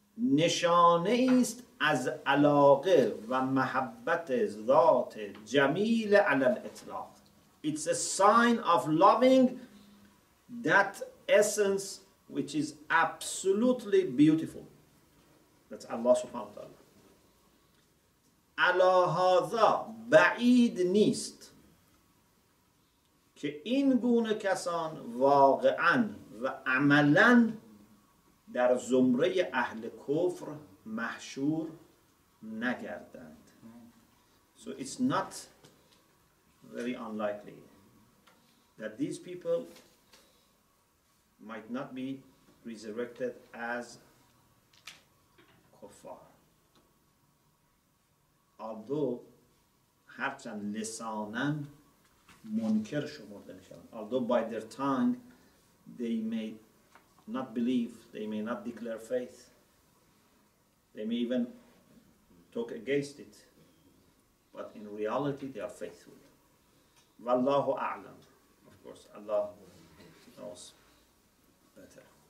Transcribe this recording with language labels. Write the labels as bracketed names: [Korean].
[Persian] نشانه ایست از علاقه و محبت ذات جمیل علی الاطلاق. [English] It's a sign of loving that essence which is absolutely beautiful. That's Allah subhanahu wa ta'ala. [Persian] علی هذا بعید نیست که این گونه کسان واقعا و عملا در زمره اهل کفر محشور نگردند. [English] So it's not very unlikely that these people might not be resurrected as kuffar. Although [Persian] هرچند لسانن منکر شمرده میشوند. [English] Although by their tongue they may not believe, they may not declare faith, they may even talk against it, but in reality they are faithful. [Arabic] Wallahu a'lam. [English] Of course, Allah knows better.